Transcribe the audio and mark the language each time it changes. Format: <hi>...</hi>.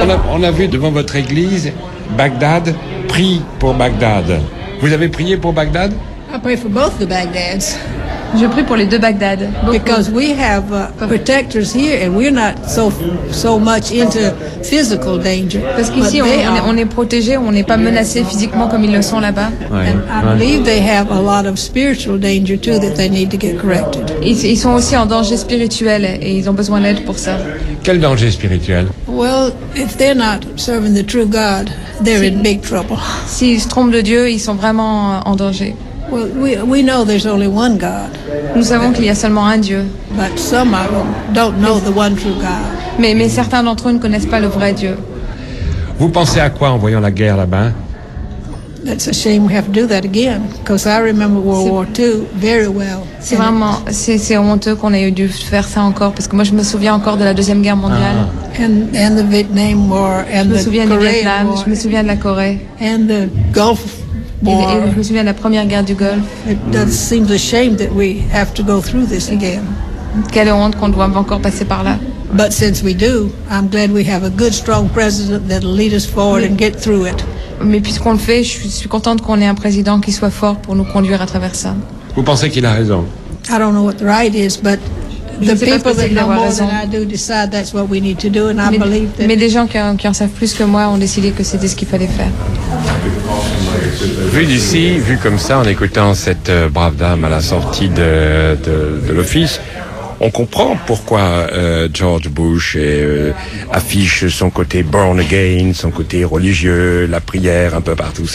<fr>On a vu devant votre église, Bagdad, prie pour Bagdad. Vous avez prié pour Bagdad?</fr> <en>I pray for both the Baghdads.</en> <fr>Je prie pour les deux Bagdad.</fr> <en>Because we have protectors here and we're not so much into physical danger.</en> <fr>Parce qu'ici on est protégé, on n'est pas menacé physiquement comme ils le sont là-bas.</fr> <en>And I believe they have a lot of spiritual danger too that they need to get corrected.</en> <fr>Ils sont aussi en danger spirituel et ils ont besoin d'aide pour ça. Quel danger spirituel?</fr> <en>Well, if they're not serving the true God, they're in big trouble.</en> <fr>S'ils se trompent de Dieu, ils sont vraiment en danger.</fr> <en>Well, we know there's only one God.</en> <fr>Nous savons qu'il y a seulement un Dieu.</fr> <en>But some of them don't know the one true God.</en> <fr>Mais certains d'entre eux ne connaissent pas le vrai Dieu. Vous pensez à quoi en voyant la guerre là-bas?</fr> <en>that's a shame we have to do that again, because I remember World War II very well.</en> <fr>C'est vraiment, c'est honteux qu'on ait dû faire ça encore, parce que moi je me souviens encore de la Deuxième Guerre mondiale.</fr> <en>And the Vietnam War, and</en> <fr>je me souviens</fr> <en>the</en> <fr>du Vietnam, je me souviens de la Corée.</fr> <en>And the Gulf War.</en> <fr>Et je me souviens de la Première Guerre du Golfe.</fr> <en>It does seem a shame that we have to go through this again.</en> <fr>Quelle honte qu'on doive encore passer par là.</fr> <en>But since we do, I'm glad we have a good, strong president that'll lead us forward and get through it.</en> <fr>Mais puisqu'on le fait, je suis contente qu'on ait un président qui soit fort pour nous conduire à travers ça. Vous pensez qu'il a raison?</fr> <en>I don't know what the right is, but the people that know more than I do decide that's what we need to do, and I believe that.</en> <fr>Mais des gens qui en savent plus que moi ont décidé que c'était ce qu'il fallait faire. Vu d'ici, vu comme ça, en écoutant cette brave dame à la sortie de l'office, on comprend pourquoi George Bush affiche son côté born again, son côté religieux, la prière un peu partout.</fr>